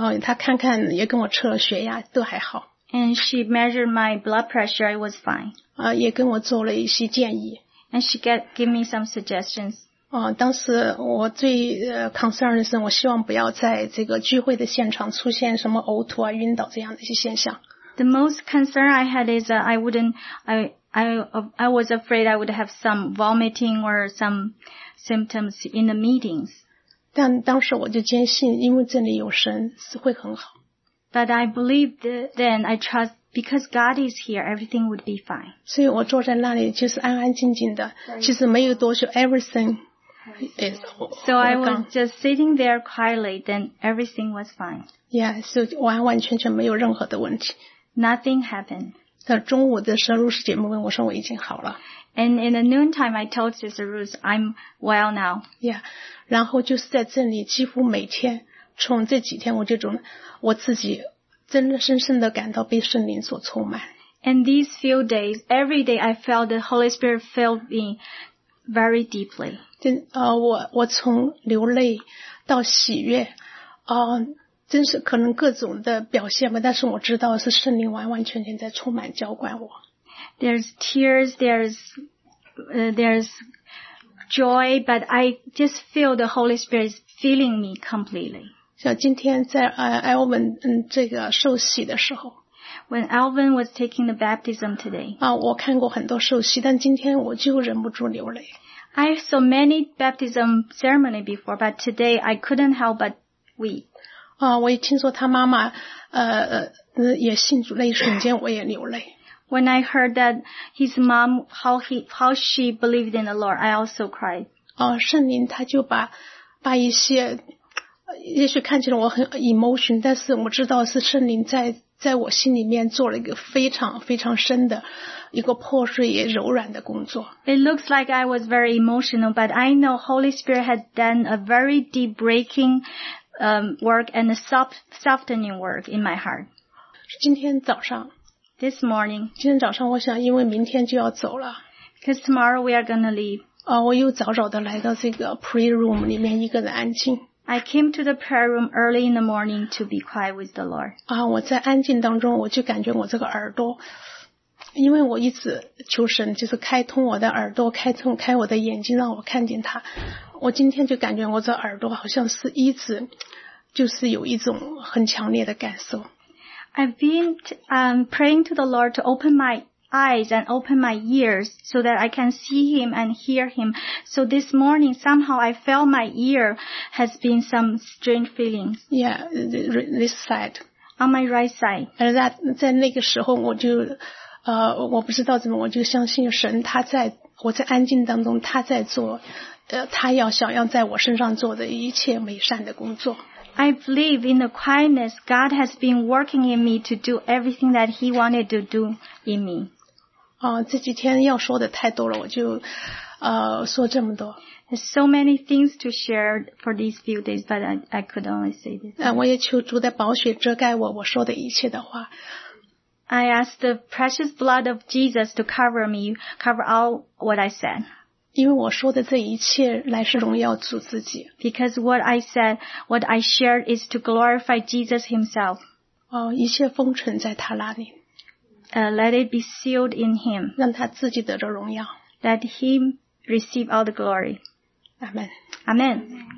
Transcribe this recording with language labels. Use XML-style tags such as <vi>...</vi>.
<zh>她看看也跟我测了血压，都还好。</zh> <en>And she measured my blood pressure, I was fine.</en> <zh>也跟我做了一些建议。</zh> <en>And she gave me some suggestions.</en> <zh>当时我最concern 的是我希望不要在这个聚会的现场出现什么呕吐啊、晕倒这样的一些现象。</zh> <en>The most concern I had is that I was afraid I would have some vomiting or some symptoms in the meetings.</en> <zh>但当时我就坚信因为这里有神是会很好。</zh> <en>But I believed then I trust because God is here, everything would be fine.</en> <zh>所以我坐在那里就是安安静静的，其实没有多久</zh> <en>everything is gone. So I was just sitting there quietly, then everything was fine. Yeah, so</en> <zh>完完全全没有任何的问题。</zh> <en>Nothing happened.</en> <zh>在中午的时候，露丝姐妹问我说：“我已经好了。”</zh> <en>And in the noontime, I told Sister Ruth, "I'm well now." Yeah.</en> <zh>然后就是在这里，几乎每天，从这几天，我这种我自己真的深深的感到被圣灵所充满。</zh> <en>And these few days, every day, I felt the Holy Spirit fill me very deeply.</en> <zh>我从流泪到喜悦，真是可能各种的表现吧，但是我知道是圣灵完完全全在充满浇灌我。</zh> <en>There's tears, there's joy, but I just feel the Holy Spirit is filling me completely.</en> <zh>像今天在Alvin 这个受洗的时候。</zh> <en>When Alvin was taking the baptism today.</en> <zh>我看过很多受洗，但今天我就忍不住流泪。</zh> <en>I saw many baptism ceremony before, but today I couldn't help but weep.</en> <zh>我也听说他妈妈也信主，那一瞬间我也流泪。</zh> <en>When I heard that his mom, how she believed in the Lord, I also cried.</en> <zh>圣灵他就把一些也许看起来我很 emotion, 但是我知道是圣灵在我心里面做了一个非常非常深的一个破碎也柔软的工作。</zh> <en>It looks like I was very emotional, but I know Holy Spirit had done a very deep breaking,work and a softening work in my heart.</en> <zh>今天早上</zh> <en>This morning.</en> <zh>今天早上我想因为明天就要走了。</zh> <en>Because tomorrow we are going to leave.</en> <zh>我又早早的来到这个 prayer room 里面一个人安静。</zh> <en>I came to the prayer room early in the morning to be quiet with the Lord.</en> <zh>我在安静当中我就感觉我这个耳朵因为我一直求神就是开通我的耳朵开通开我的眼睛让我看见他。我今天就感觉我这耳朵好像是一直就是有一种很强烈的感受。</zh> <en>I've been praying to the Lord to open my eyes and open my ears so that I can see him and hear him. So this morning, somehow I felt my ear has been some strange feeling. Yeah, this side. On my right side. And that,</en> <zh>在那个时候我就我不知道怎么我就相信神他在我在安静当中他在做他要想要在我身上做的一切美善的工作。</zh> <en>I believe in the quietness, God has been working in me to do everything that He wanted to do in me.</en> <zh>这几天要说的太多了，我就说这么多。</zh> <en>There's so many things to share for these few days, but I could only say this.</en> <zh>我也求主的宝血遮盖我说的一切的话。</zh> <en>I asked the precious blood of Jesus to cover me, cover all what I said.</en> <zh>因为我说的这一切乃是荣耀主自己。</zh> <en>Because what I said, what I shared is to glorify Jesus himself.</en> <zh>哦，一切封存在他那里。</zh> <en>Let it be sealed in him.</en> <zh>让他自己得着荣耀。</zh> <en>Let him receive all the glory. Amen. Amen.</en>